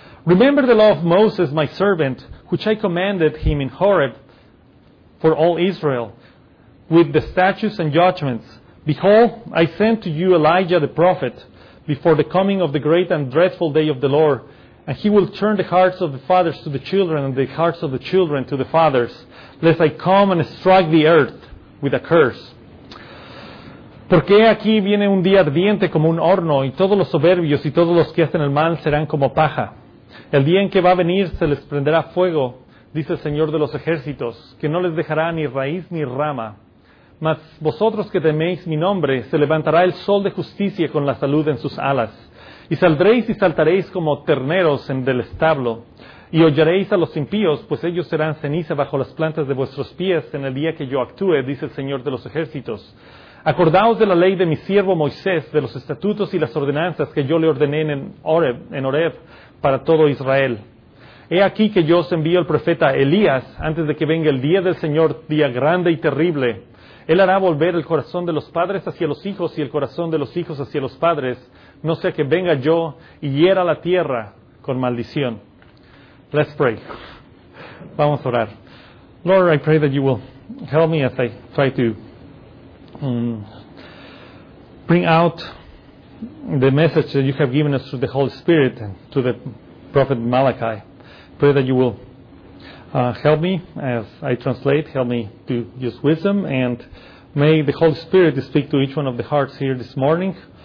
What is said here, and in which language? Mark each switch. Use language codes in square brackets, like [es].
[en] Remember the law of Moses, my servant, which I commanded him in Horeb for all Israel, with the statutes and judgments. Behold, I sent to you Elijah the prophet before the coming of the great and dreadful day of the Lord, and he will turn the hearts of the fathers to the children and the hearts of the children to the fathers, lest I come and strike the earth with a curse. [es] Porque aquí viene un día ardiente como un horno, y todos los soberbios y todos los que hacen el mal serán como paja. El día en que va a venir se les prenderá fuego, dice el Señor de los ejércitos, que no les dejará ni raíz ni rama. Mas vosotros que teméis mi nombre, se levantará el sol de justicia con la salud en sus alas. Y saldréis y saltaréis como terneros en del establo. Y hollaréis a los impíos, pues ellos serán ceniza bajo las plantas de vuestros pies en el día que yo actúe, dice el Señor de los ejércitos. Acordaos de la ley de mi siervo Moisés, de los estatutos y las ordenanzas que yo le ordené en Horeb para todo Israel. He aquí que yo os envío el profeta Elías antes de que venga el día del Señor, día grande y terrible. Él hará volver el corazón de los padres hacia los hijos y el corazón de los hijos hacia los padres, no sea que venga yo y hiera la tierra con maldición. [en] Let's pray. [es] Vamos a orar. [en] Lord, I pray that you will help me as I try to bring out the message that you have given us through the Holy Spirit and to the prophet Malachi. Pray that you will help me as I translate, help me to use wisdom, and may the Holy Spirit speak to each one of the hearts here this morning.